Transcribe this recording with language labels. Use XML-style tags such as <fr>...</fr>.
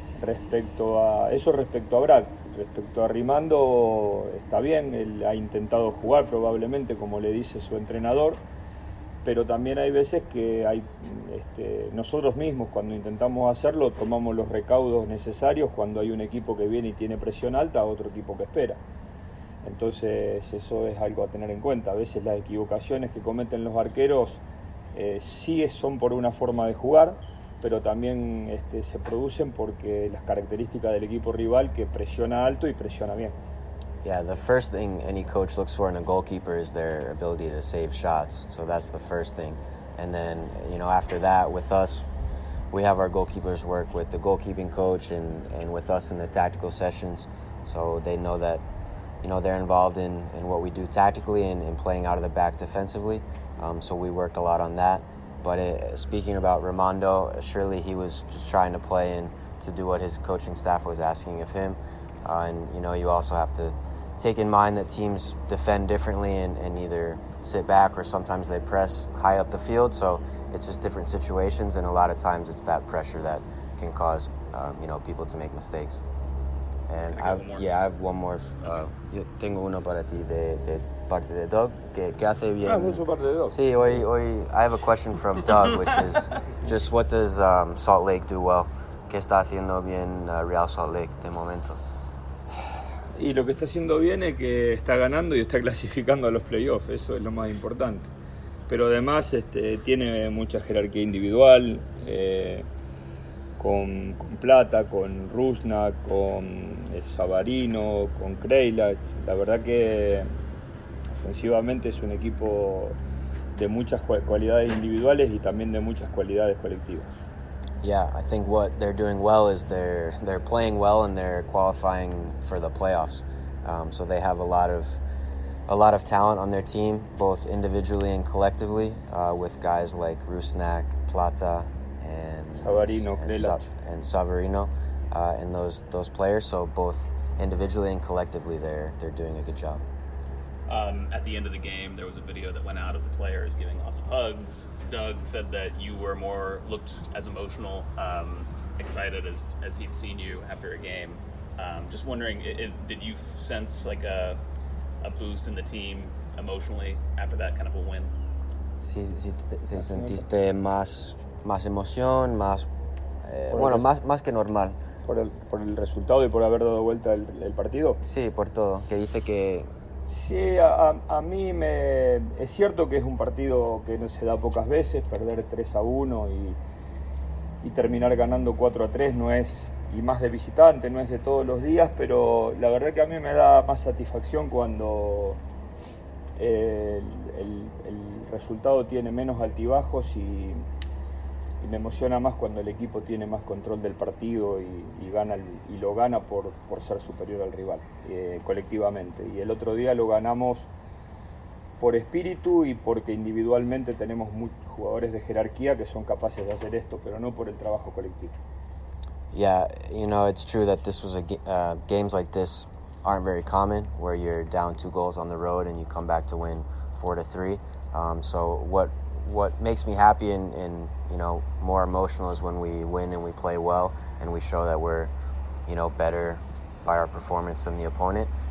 <es>Respecto a Rimando, está bien, él ha intentado jugar probablemente, como le dice su entrenador, pero también hay veces que nosotros mismos, cuando intentamos hacerlo, tomamos los recaudos necesarios cuando hay un equipo que viene y tiene presión alta a otro equipo que espera. Entonces eso es algo a tener en cuenta. A veces las equivocaciones que cometen los arqueros sí son por una forma de jugar, pero también se producen porque las características del equipo rival, que presiona alto y presiona bien.</es> <en>Yeah, the first thing any coach looks for in a goalkeeper is their ability to save shots. So that's the first thing. And then, you know, after that, with us, we have our goalkeepers work with the goalkeeping coach and with us in the tactical sessions. So they know that, you know, they're involved in what we do tactically and in playing out of the back defensively. So we work a lot on that. But speaking about Rimando, surely he was just trying to play and to do what his coaching staff was asking of him. And, you know, you also have to take in mind that teams defend differently and either sit back or sometimes they press high up the field. So it's just different situations. And a lot of times it's that pressure that can cause, you know, people to make mistakes. And I have one more.</en> <es>Yo tengo uno para ti de parte de Doug. ¿Qué hace bien? Ah, mucho parte de Doug. Sí, hoy</es> <en>I have a question from Doug, which is just what does Salt Lake do well?</en> <es>¿Qué está haciendo bien Real Salt Lake de momento? Y lo que está haciendo bien es que está ganando y está clasificando a los playoffs. Eso es lo más importante. Pero además tiene mucha jerarquía individual, con Plata, con Rusna, con el Savarino, con Krejlach. La verdad que ofensivamente es un equipo de muchas cualidades individuales y también de muchas cualidades colectivas.</es> <en>Yeah, I think what they're doing well is they're playing well and they're qualifying for the playoffs. So they have a lot of talent on their team, both individually and collectively, with guys like Rusnak, Plata, and Savarino, and those players. So both individually and collectively, they're doing a good job. At the end of the game, there was a video that went out of the players giving lots of hugs. Doug said that you were looked as emotional, excited as he'd seen you after a game. Just wondering, did you sense like a boost in the team emotionally after that kind of a win?</en> <es>Sí, sentiste más emoción, más que normal. Por el resultado y por haber dado vuelta el partido. Sí, por todo. Que dice que. Sí, a mí me es cierto que es un partido que no se da pocas veces, perder 3-1 y terminar ganando 4-3 no es, y más de visitante, no es de todos los días, pero la verdad que a mí me da más satisfacción cuando el resultado tiene menos altibajos y me emociona más cuando el equipo tiene más control del partido y gana y lo gana por ser superior al rival colectivamente. Y el otro día lo ganamos por espíritu y porque individualmente tenemos muchos jugadores de jerarquía que son capaces de hacer esto, pero no por el trabajo colectivo.</es> <en>Yeah, you know, it's true that this was games like this aren't very common, where you're down 2 goals on the road and you come back to win 4-3. So what makes me happy and you know, more emotional is when we win and we play well and we show that we're, you know, better by our performance than the opponent.</en>